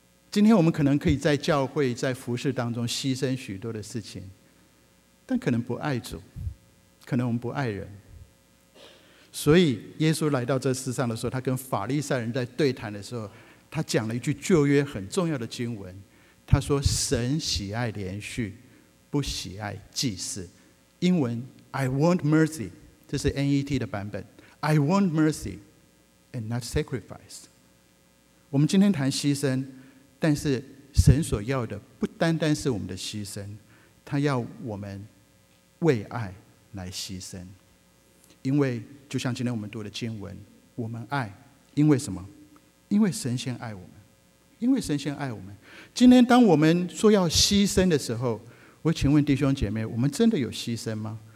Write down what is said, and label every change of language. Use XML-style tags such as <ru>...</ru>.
<zh>今天我们可能可以在教会在服事当中牺牲许多的事情，但可能不爱主，可能我们不爱人。所以耶稣来到这世上的时候，他跟法利赛人在对谈的时候，他讲了一句旧约很重要的经文，他说神喜爱连续，不喜爱祭祀。英文</zh> <en>I want mercy，</en> <zh>这是 NET 的版本，</zh> <en>I want mercy and not sacrifice。</en> <zh>我们今天谈牺牲，但是神所要的不单单是我们的牺牲，他要我们为爱来牺牲。因为就像今天我们读的经文，我们爱因为什么？因为神先爱我们，因为神先爱我们。今天当我们说要牺牲的时候，我请问弟兄姐妹，我们真的有牺牲吗？</zh>